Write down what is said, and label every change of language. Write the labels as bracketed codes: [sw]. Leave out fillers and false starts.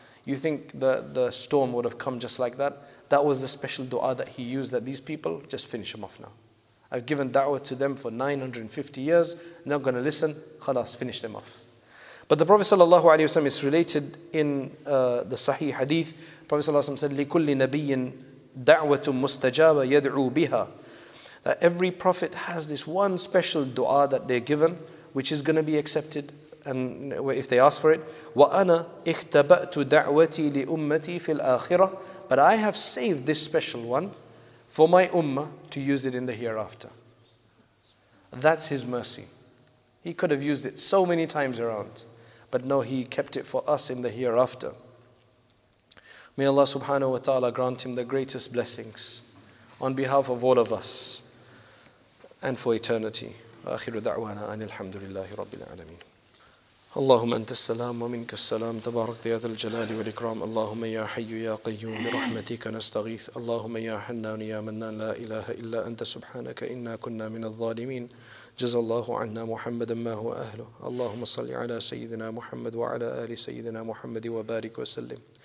[en] You think the storm would have come just like that? That was the special dua that he used, that these people, just finish them off now. I've given da'wah to them for 950 years, not going to listen, khalas, finish them off. But the Prophet ﷺ is related in the Sahih Hadith. Prophet ﷺ said, [ar] لِكُلِّ نَبِيٍّ دَعْوَةٌ مُسْتَجَابَ يَدْعُو بِهَا. [en] That every prophet has this one special dua that they're given, which is going to be accepted. And if they ask for it, [ar] وَأَنَا اِخْتَبَأْتُ دَعْوَتِي لِأُمَّتِي فِي الْآخِرَةِ. [en] But I have saved this special one for my ummah to use it in the hereafter. That's his mercy. He could have used it so many times around, but no, he kept it for us in the hereafter. May Allah subhanahu wa ta'ala grant him the greatest blessings on behalf of all of us and for eternity. [ar] وَأَخِرُ دَعْوَانَا أَنِ الْحَمْدُ لِلَّهِ رَبِّ الْعَالَمِينَ. اللهم أنت السلام ومنك السلام تبارك يا ذا الجلال والإكرام. اللهم يا حي يا قيوم برحمتك نستغيث. اللهم يا حنان يا منان لا إله إلا أنت سبحانك إنا كنا من الظالمين. جزى الله عنا محمدا ما هو أهله. اللهم صل على سيدنا محمد وعلى آل سيدنا محمد وبارك وسلم.